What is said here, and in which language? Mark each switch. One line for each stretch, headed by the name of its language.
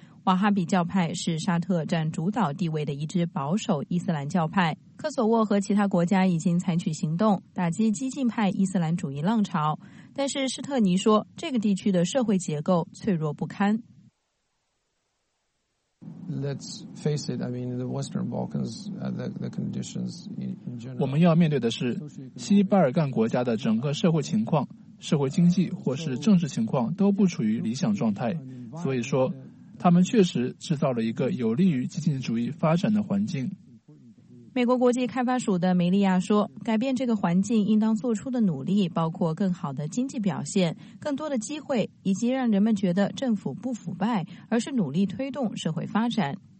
Chinese: 瓦哈比教派是沙特占主导地位的一支保守伊斯兰教派。科索沃和其他国家已经采取行动打击激进派伊斯兰主义浪潮，但是施特尼说这个地区的社会结构脆弱不堪。
English: Let's face it, I mean, the Western Balkans, the conditions in general.
Chinese: 我们要面对的是西巴尔干国家的整个社会情况，社会经济或是政治情况都不处于理想状态，所以说他们确实制造了一个有利于激进主义发展的环境。美国国际开发署的梅利亚说，改变这个环境应当做出的努力包括更好的经济表现、更多的机会，以及让人们觉得政府不腐败，而是努力推动社会发展。